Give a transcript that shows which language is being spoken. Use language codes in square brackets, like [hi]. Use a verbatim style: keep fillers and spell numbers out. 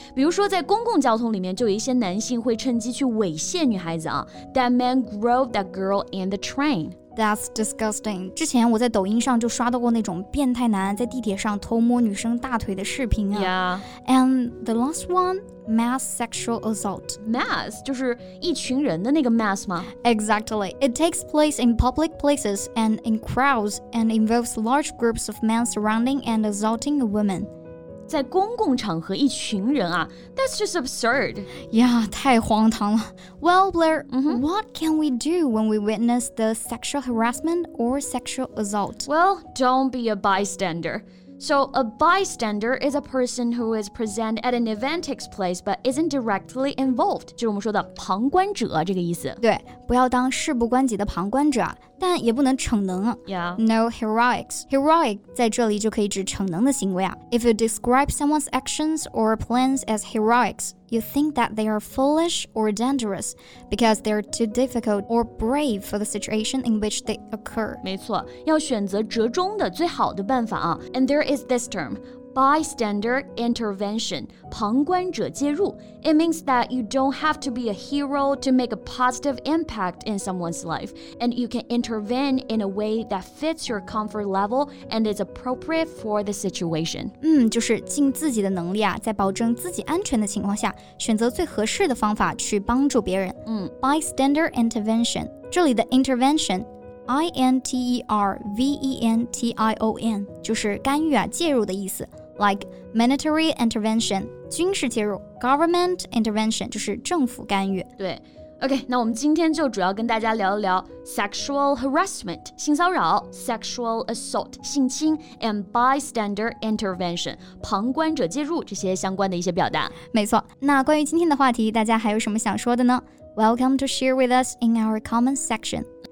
[zh] 比如说在公共交通里面，就有一些男性会趁机去猥亵女孩子啊。 [en] That man groped that girl in the train. That's disgusting. [zh] 之前我在抖音上就刷到过那种变态男在地铁上偷摸女生大腿的视频啊。 [en] Yeah. And the last one, mass sexual assault. [zh] Mass 就是一群人的那个 mass 吗？ [en] Exactly. It takes place in public places and in crowds and involves large groups of men surrounding and assaulting a woman. [zh] 在公共场合一群人啊 [en] That's just absurd. Yeah, [zh] 太荒唐了。 [en] Well, Blair,、 mm-hmm. what can we do when we witness the sexual harassment or sexual assault? Well, don't be a bystander. So, a bystander is a person who is present at an event takes place but isn't directly involved. [zh] 就是我们说的旁观者这个意思。对，不要当事不关己的旁观者，但也不能逞能。 [en] Yeah. No heroics. [zh] Heroic 在这里就可以指逞能的行为啊。 [en] If you describe someone's actions or plans as heroics, you think that they are foolish or dangerous because they're too difficult or brave for the situation in which they occur. [zh] 没错，要选择折中的最好的办法啊。 [en] And there is this term. Bystander intervention, [zh] 旁观者介入 [en] It means that you don't have to be a hero to make a positive impact in someone's life, and you can intervene in a way that fits your comfort level and is appropriate for the situation. [zh] 嗯，就是尽自己的能力啊，在保证自己安全的情况下，选择最合适的方法去帮助别人。嗯 Bystander intervention, 这里的 intervention I N T E R V E N T I O N 就是干预啊，介入的意思。 [en] Like military intervention, [zh] 军事介入 [en] government intervention [zh] 就是政府干预。对 OK, 那我们今天就主要跟大家聊一聊 sexual harassment 性骚扰 sexual assault 性侵 and bystander intervention 旁观者介入这些相关的一些表达。没错，那关于今天的话题，大家还有什么想说的呢？ [en] Welcome to share with us in our comment section.